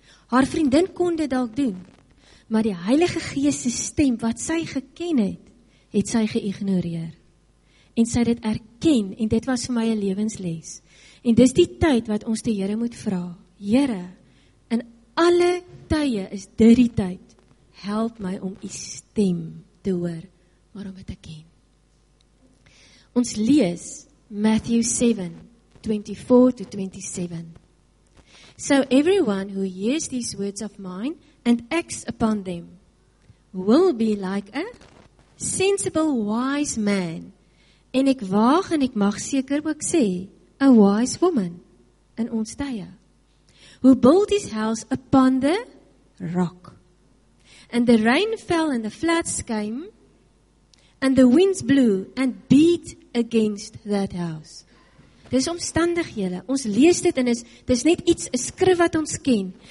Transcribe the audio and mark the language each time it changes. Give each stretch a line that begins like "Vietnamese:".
Afrikaans: Haar vriendin kon dit dalk doen. Maar die Heilige Gees se stem wat sy geken het, het sy geïgnoreer. En sy het dit erken en dit was vir my 'n lewensles. En dis die tyd wat ons die Here moet vra. Here, in alle tye is dit die tyd. Help my om u stem te hoor, maar om dit te ken. Ons lees Matthew 7:24-27.
English: So everyone who hears these words of mine and acts upon them will be like a sensible wise man.
Afrikaans: En ek waag en ek mag seker ook sê,
English: a wise woman
Afrikaans: in ons tye.
English: Who built his house upon the rock. And the rain fell and the floods came and the winds blew and beat against that house.
Afrikaans: Dis omstandighede. Ons lees dit en dis net iets, 'n skrif wat ons ken.